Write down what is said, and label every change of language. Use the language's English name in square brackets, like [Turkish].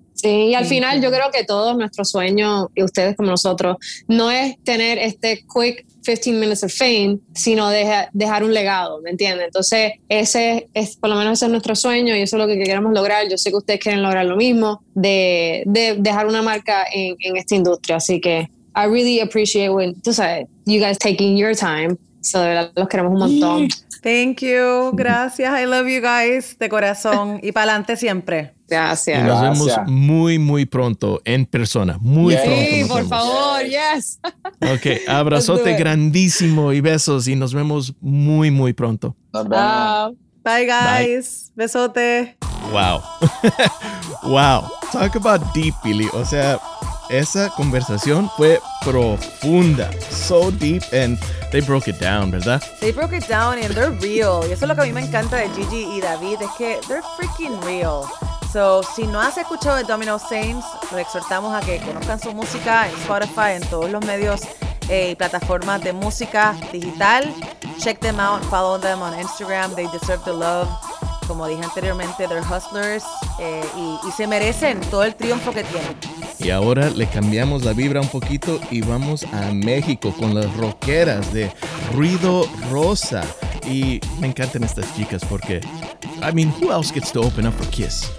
[Spanish] Sí, y al final yo creo que todos nuestros sueños, y ustedes como nosotros, no es tener este [English] quick 15 minutes of fame, [Spanish] sino dejar un legado, ¿me entiendes? Entonces, ese es, por lo menos ese es nuestro sueño, y eso es lo que queremos lograr. Yo sé que ustedes quieren lograr lo mismo, de dejar una marca en esta industria. Así que, [English] I really appreciate when, [Spanish] tú sabes, [English] you guys taking your time. So, [Spanish] de verdad, los queremos un montón. [English] Thank you. [Spanish] Gracias. [English] I love you guys [Spanish] de corazón y para adelante siempre. Gracias. Y nos gracias. Vemos muy, muy pronto en persona. Muy [English] yes. [Spanish] pronto. Sí, por vemos. Favor. [English] Yes. [Spanish] Ok. Abrazote grandísimo y besos. Y nos vemos muy, muy pronto. [English] Bye, guys. Bye. [Spanish] Besote. [English] Wow. Wow. Talk about deep, Billy. [Spanish] O sea, esa conversación fue profunda, [English] so deep, and they broke it down, [Spanish] ¿verdad? [English] They broke it down and they're real. [Spanish] Y eso es lo que a mí me encanta de Gigi y David, es que [English] they're freaking real. So, [Spanish] si no has escuchado de Domino Saints, le exhortamos a que conozcan su música en Spotify, en todos los medios y plataformas de música digital. [English] Check them out, follow them on Instagram, they deserve the love. [Spanish] Como dije anteriormente, [English] they're hustlers [Spanish] y se merecen todo el triunfo que tienen. Y ahora le cambiamos la vibra un poquito y vamos a México con las rockeras de Ruido Rosa. Y me encantan estas chicas porque, [English] I mean, who else gets to open up for Kiss?